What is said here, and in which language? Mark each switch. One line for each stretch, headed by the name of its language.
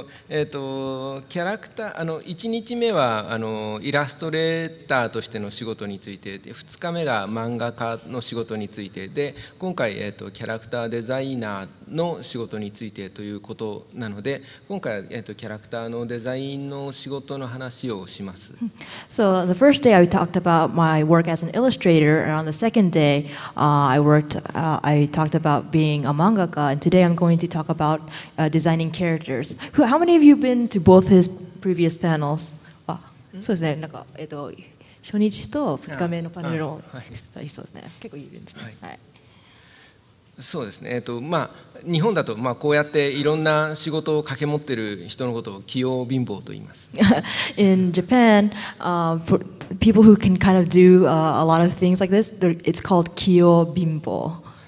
Japanese: キャラクター1日目はイラストレーターとしての仕事について、で2日目が漫画家の仕事について、で今回、キャラクターデザイナーの仕事についてということなので、今回、キャラクターのデザインの仕事の話をします。
English: So the first day I talked about my work as an illustrator, and on the second day I talked about being a mangaka, and today I'm going to talk about designing characterHow many of you have been to both his previous panels?
Japanese: そうですね、なんか、初日と2日目のパネルを、はい、そうですね、結構いるんですね、はい、そうですね、まあ、日本だと、まあ、こうやっていろんな仕事を掛け持ってる人のことを器用貧乏と言います。
English: In Japan, people who can kind of do a lot of things like this, it's called 器用貧乏。